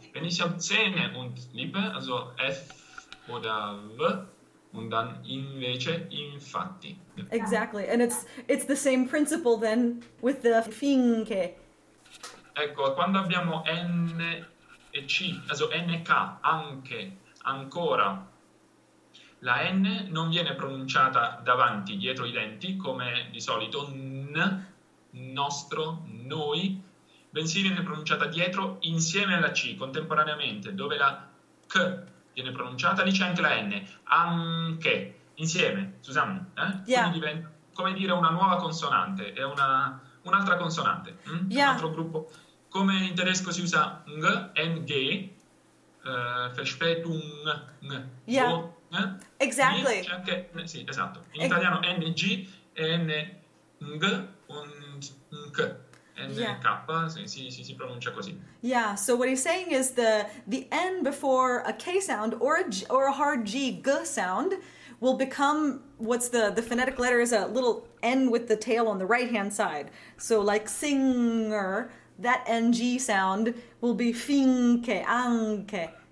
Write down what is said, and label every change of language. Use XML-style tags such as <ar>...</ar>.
<de>Wenn ich habe Zähne und Lippe, also F oder V, und dann invece, infatti.</de> <en>Exactly, and it's the same principle then with the finché.</en> <it>Ecco, quando abbiamo N e C, also NK, anche, ancora, la N non viene pronunciata davanti, dietro i denti, come di solito N, nostro, noi, bensì viene pronunciata dietro, insieme alla C, contemporaneamente, dove la K viene pronunciata, lì c'è anche la N, anche, insieme, Susanne, eh?</it> <en>Yeah.</en> <it>Quindi diventa, come dire, una nuova consonante, è un'altra consonante,</it> <en>yeah.</en> <it>Un altro gruppo. Come in tedesco si usa ng, ng, verspätung, ng, ng,</it> <en>yeah. Go, ng. Exactly.</en> <it>C'è anche, sì, esatto, in italiano ng, n, ng, und ng.</it> <en>And yeah.</en> <it>K, si pronuncia così.</it> <en>Yeah, so what he's saying is the N before a K sound or a hard G, G sound will become, what's the phonetic letter is a little N with the tail on the right hand side. So like singer, that NG sound will be finke, anke.</en>